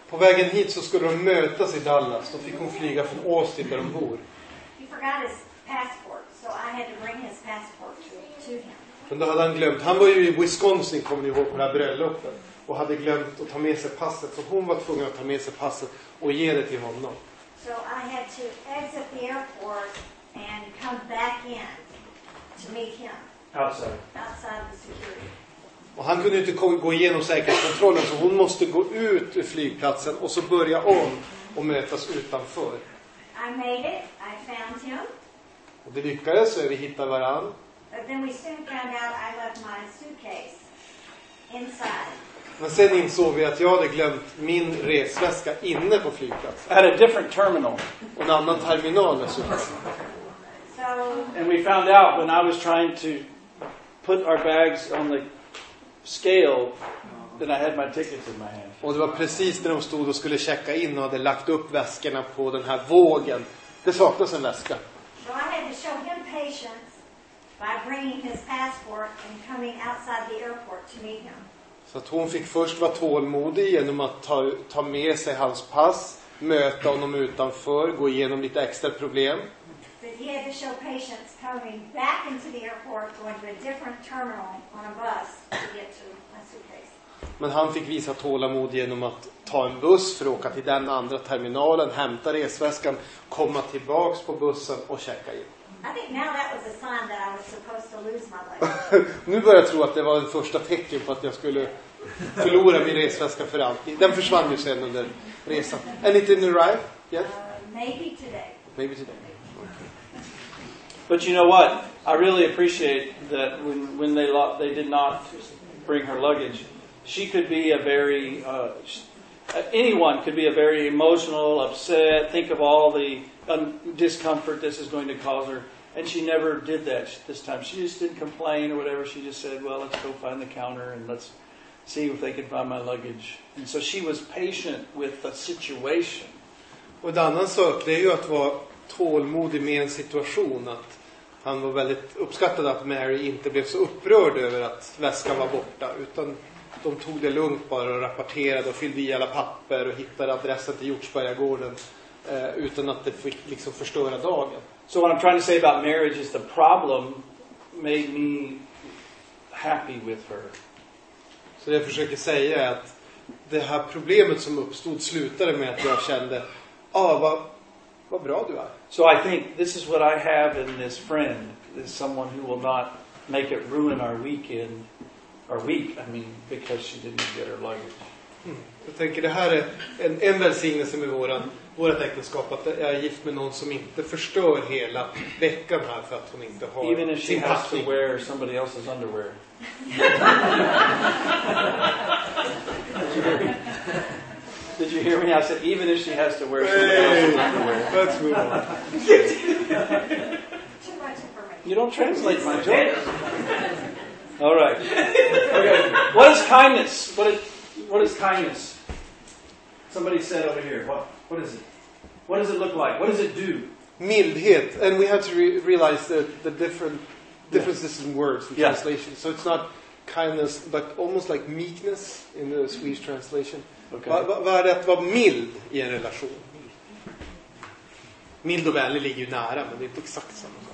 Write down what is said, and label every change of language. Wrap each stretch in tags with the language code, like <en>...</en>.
<sv>På vägen hit så skulle de mötas i Dallas. Då fick hon flyga från Austin där de bor.</sv> <en>He forgot his passport, so I had to bring his passport to him.</en> <sv>Men då hade han glömt. Han var ju i Wisconsin, kommer ni ihåg, på det här bröllopet. Och hade glömt att ta med sig passet. Så hon var tvungen att ta med sig passet och ge det till honom.</sv> <en>So I had to exit the airport and come back in to meet him. Outside the security.</en> <sv>Och han kunde inte gå igenom säkerhetskontrollen, så hon måste gå ut ur flygplatsen och så börja om och mötas utanför.</sv> <en>I made it. I found him.</en> <sv>Och det lyckades, så vi hittade varann.</sv> <en>But then we soon found out I left my suitcase inside.</en> <sv>Men sen insåg vi att jag hade glömt min resväska inne på flygplatsen.</sv> <en>At a different terminal.</en> <sv>Och en annan terminal.</sv> <en>So, and we found out when I was trying to put our bags on the scale, then I had my tickets in my hand.</en> <sv>Och det var precis när de stod och skulle checka in och hade lagt upp väskorna på den här vågen. Det saknas en väska.</sv> <en>So I had to show him patience by bringing his passport and coming outside the airport to meet him.</en> <sv>Så att hon fick först vara tålmodig genom att ta med sig hans pass, möta honom utanför, gå igenom lite extra problem.</sv> <en>But he had to show patience coming back into the airport, going to a different terminal on a bus to get to my suitcase.</en> <sv>Men han fick visa tålamod genom att ta en buss för att åka till den andra terminalen, hämta resväskan, komma tillbaks på bussen och checka in.</sv> <en>I think now that was a sign that I was supposed to lose my luggage.</en> <sv>Nu börjar jag tro att det var en första tecken på att jag skulle förlora min resväska för alltid. Den försvann ju sen under resan.</sv> <en>And it didn't arrive yet? Maybe today. But you know what? I really appreciate that when they did not bring her luggage, she could be a very anyone could be a very emotional, upset, think of all the discomfort this is going to cause her, and she never did that this time. She just didn't complain or whatever. She just said, "Well, let's go find the counter and let's see if they can find my luggage." And so she was patient with the situation.</en> <sv>Och en annan sak, det är ju att vara tålmodig med en situation. Att han var väldigt uppskattad att Mary inte blev så upprörd över att väskan var borta, utan de tog det lugnt bara och rapporterade och fyllde i alla papper och hittade adressen till Hjortsbergagården utan att det fick liksom förstöra dagen.</sv> <en>So what I'm trying to say about marriage is the problem made me happy with her.</en> <sv>Så det jag försöker säga är att det här problemet som uppstod slutade med att jag kände, vad bra du är.</sv> <en>So I think this is what I have in this friend, is someone who will not make it ruin our weekend. Or week, I mean, because she didn't get her luggage.</en> <sv>Jag tänker det här är en välsignelse med vårat äktenskap, att jag är gift med någon som inte förstör hela veckan här för att hon inte har sin packning.</sv> <en>Even if she has to wear somebody else's underwear. Did you hear me? I said, even if she has to wear somebody else's underwear. Let's move on. Too much information. You don't translate my jokes. All right. Okay. What is kindness? What is kindness? Somebody said over here. What is it? What does it look like? What does it do?</en> <sv>Mildhet.</sv> <en>And we have to realize the differences in words in translation. So it's not kindness, but almost like meekness in the Swedish translation. Okay.</en> <sv>Vad är det att vara mild i en relation? Mild och vänlig ligger ju nära, men det är inte exakt samma.</sv>